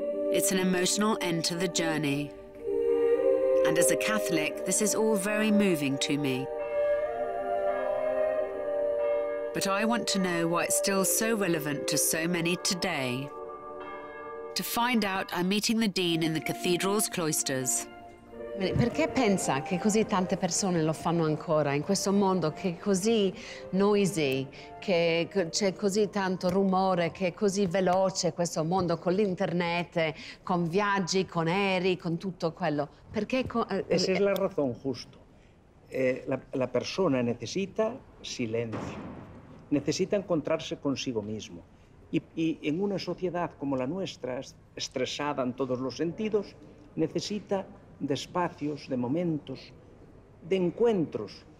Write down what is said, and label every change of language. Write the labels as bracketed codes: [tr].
[en] It's an emotional end to the journey. And as a Catholic, this is all very moving to me. But I want to know why it's still so relevant to so many today. To find out, I'm meeting the Dean in the cathedral's cloisters. [it] Perché pensa che così tante persone lo fanno ancora in questo mondo che è così noisy, che c'è così tanto rumore, che è così veloce questo mondo con l'internet, con viaggi, con aerei, con tutto quello? Perché? [es] Esa es la razón, justo. La persona necesita silencio, necesita encontrarse consigo mismo. Y en una sociedad como la nuestra, estresada en todos los sentidos, necesita de espacios, de momentos, de encuentros.